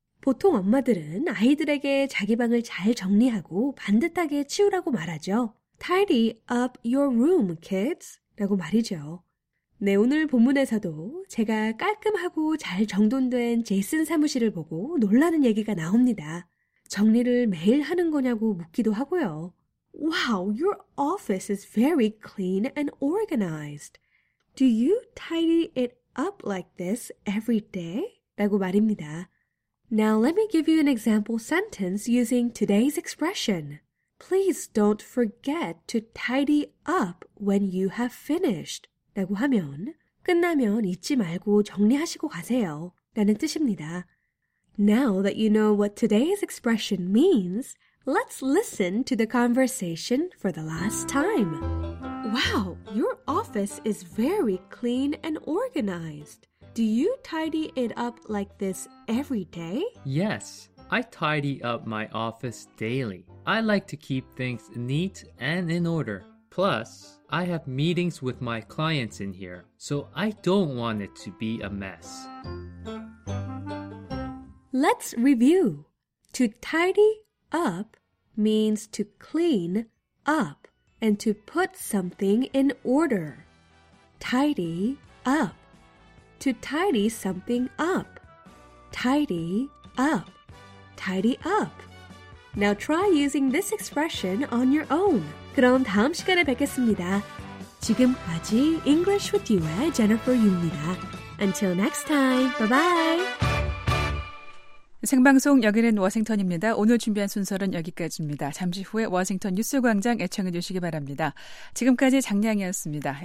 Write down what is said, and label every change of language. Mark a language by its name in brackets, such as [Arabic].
[Korean] 보통 엄마들은 아이들에게 자기 방을 잘 정리하고 반듯하게 치우라고 말하죠. [English] Tidy up your room, kids. [Korean] 라고 말이죠. 네, 오늘 본문에서도 제가 깔끔하고 잘 정돈된 제이슨 사무실을 보고 놀라는 얘기가 나옵니다. 정리를 매일 하는 거냐고 묻기도 하고요. [English] Wow, your office is very clean and organized. Do you tidy it up like this every day? [Korean] 라고 말입니다. [English] Now let me give you an example sentence using today's expression. Please don't forget to tidy up when you have finished. [Korean] 라고 하면 끝나면 잊지 말고 정리하시고 가세요. 라는 뜻입니다. [English] Now that you know what today's expression means, let's listen to the conversation for the last time. Wow, your office is very clean and organized. Do you tidy it up like this every day? Yes, I tidy up my office daily. I like to keep things neat and in order. Plus, I have meetings with my clients in here, so I don't want it to be a mess. Let's review. To tidy up means to clean up and to put something in order. Tidy up. To tidy something up. Tidy up. Tidy up. Now try using this expression on your own. [Korean] 그럼 다음 시간에 뵙겠습니다. 지금까지 English with You의 Jennifer Yu입니다. [English] Until next time. Bye-bye. [Korean] 생방송 여기는 워싱턴입니다. 오늘 준비한 순서는 여기까지입니다. 잠시 후에 워싱턴 뉴스광장 애청해 주시기 바랍니다. 지금까지 장량이었습니다.